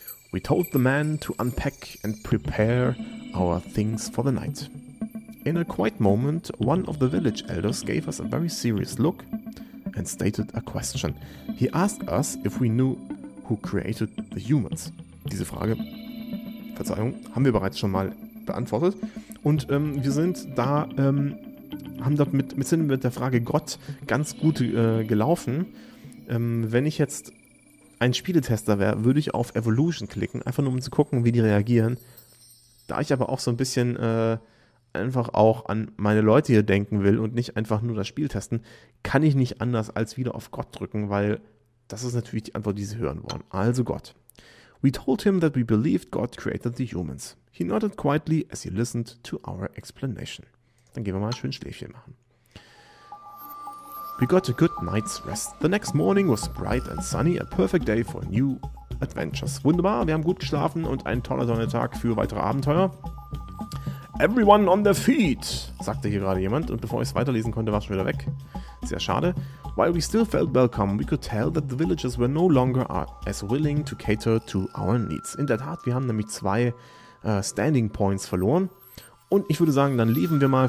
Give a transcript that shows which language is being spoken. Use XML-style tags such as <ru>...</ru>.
<en>We told the man to unpack and prepare our things for the night. In a quiet moment, one of the village elders gave us a very serious look and stated a question. He asked us if we knew who created the humans.</en> <de>Diese Frage, Verzeihung, haben wir bereits schon mal beantwortet. Und wir sind da, haben dort mit der Frage Gott ganz gut gelaufen. Wenn ich jetzt ein Spieletester wäre, würde ich auf Evolution klicken, einfach nur um zu gucken, wie die reagieren. Da ich aber auch so ein bisschen einfach auch an meine Leute hier denken will und nicht einfach nur das Spiel testen, kann ich nicht anders als wieder auf Gott drücken, weil das ist natürlich die Antwort, die sie hören wollen. Also Gott.</de> <en>We told him that we believed God created the humans. He nodded quietly as he listened to our explanation.</en> <de>Dann gehen wir mal schön Schläfchen machen.</de> <en>We got a good night's rest. The next morning was bright and sunny, a perfect day for new adventures.</en> <de>Wunderbar, wir haben gut geschlafen und ein toller Sonnentag für weitere Abenteuer.</de> <en>Everyone on their feet,</en> <de>sagte hier gerade jemand und bevor ich es weiterlesen konnte, war es schon wieder weg. Sehr schade.</de> <en>While we still felt welcome, we could tell that the villagers were no longer as willing to cater to our needs.</en> <de>In der Tat, wir haben nämlich zwei Standing Points verloren. Und ich würde sagen, dann leben wir mal.</de>